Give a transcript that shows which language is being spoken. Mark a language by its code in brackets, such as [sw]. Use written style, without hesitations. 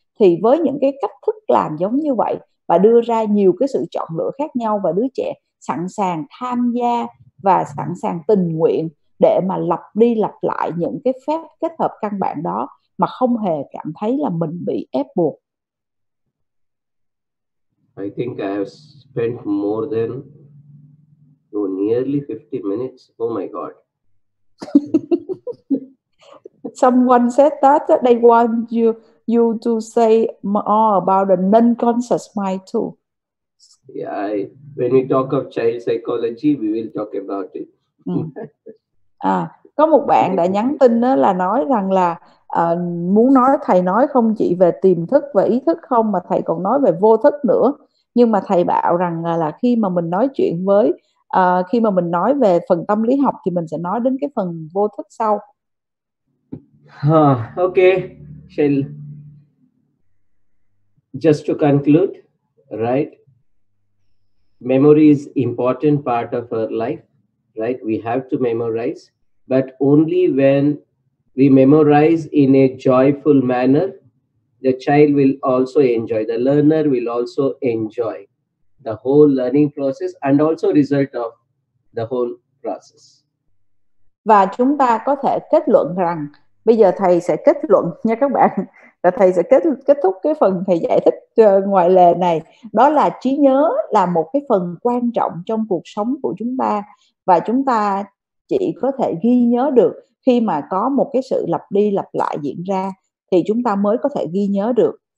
[vi] Thì với những cái cách thức làm giống như vậy và đưa ra nhiều cái sự chọn lựa khác nhau, và đứa trẻ sẵn sàng tham gia và sẵn sàng tình nguyện để mà lặp đi lặp lại những cái phép kết hợp căn bản đó mà không hề cảm thấy là mình bị ép buộc. [en] I think I have spent more than nearly 50 minutes. Oh my God. Someone said that they want you to say more about the non-conscious mind too. Yeah, when we talk of child psychology, we will talk about it. [vi] À, có một bạn đã nhắn tin đó là nói rằng là muốn nói thầy nói không chỉ về tiềm thức và ý thức không, mà thầy còn nói về vô thức nữa. Nhưng mà thầy bảo rằng là khi mà mình nói chuyện với khi mà mình nói về phần tâm lý học thì mình sẽ nói đến cái phần vô thức sau. [en] Ok, shall just to conclude, right? Memory is important part of our life, right? We have to memorize, but only when we memorize in a joyful manner, the child will also enjoy, the learner will also enjoy the whole learning process and also result of the whole process. [vi] Và chúng ta có thể kết luận rằng, bây giờ thầy sẽ kết luận nha các bạn, là thầy sẽ kết thúc cái phần thầy giải thích ngoài lề này, đó là trí nhớ là một cái phần quan trọng trong cuộc sống của chúng ta, và chúng ta chỉ có thể ghi nhớ được khi mà có một cái sự lặp đi lặp lại diễn ra thì chúng ta mới có thể ghi nhớ được.